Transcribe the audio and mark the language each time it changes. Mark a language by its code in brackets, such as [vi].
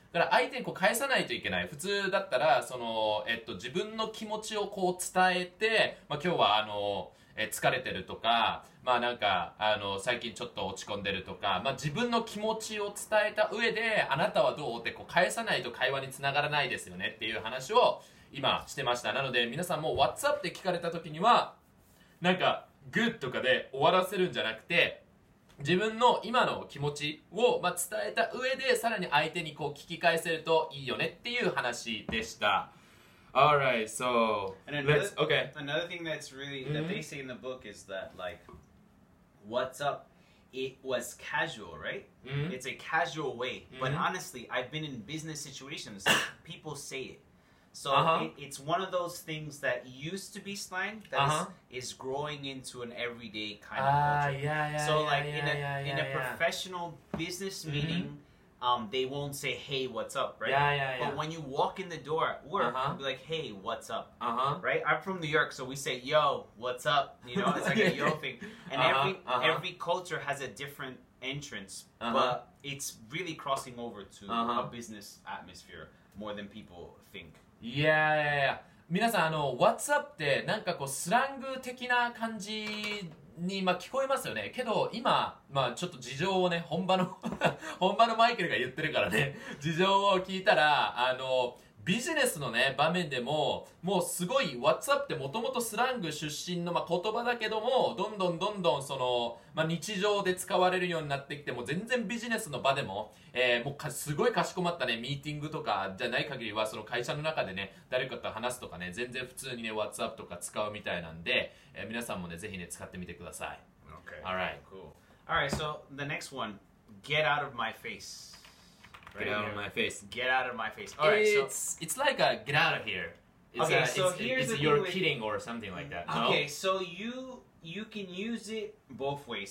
[ja] だから相手にこう返さないといけない。普通だったらその自分の気持ちをこう伝えて、まあ今日は疲れてるとか、まあなんか最近ちょっと落ち込んでるとか、まあ自分の気持ちを伝えた上で、あなたはどうってこう返さないと会話につながらないですよねっていう話を今してました。なので皆さんも WhatsApp で聞かれた時にはなんか Good とかで終わらせるんじゃなくて、自分の今の気持ちを、まあ、伝えた上でさらに相手にこう聞き返せるといいよねっていう話でした。 [en] Alright, so another thing that's really that they say in the book is that like what's up, it was casual, right? Mm-hmm. It's a casual way. Mm-hmm. But honestly, I've been in business situations, people say it. So it's one of those things that used to be slang that is growing into an everyday kind of culture. So in a professional business meeting, they won't say, hey, what's up, right? Yeah. But when you walk in the door at work, you'll be like, hey, what's up, right? I'm from New York, so we say, yo, what's up? You know, it's like a yo thing. And every culture has a different entrance, but it's really crossing over to a business atmosphere more than people think. Yeah. [ja] 皆さん、what's up ってなんかこうスラング的な感じに、まあ、聞こえますよね。けど今、まあ、ちょっと事情をね、本場の本場のマイケルが言ってるからね、事情を聞いたら、ビジネスのね場面でももうすごい WhatsApp ってもともとスラング出身の、まあ、言葉だけども、どんどんどんどんその、まあ、日常で使われるようになってきて、もう全然ビジネスの場でも、もうすごいかしこまったねミーティングとかじゃない限りは、その会社の中でね誰かと話すとかね、全然普通にね WhatsApp とか使うみたいなんで、皆さんもねぜひね使ってみてください。 [en] Okay. Alright. Cool. Alright, so the next one, get out of my face Get out of my face. All right, it's like a get out of here. It's kidding or something like that. Okay, so you can use it both ways.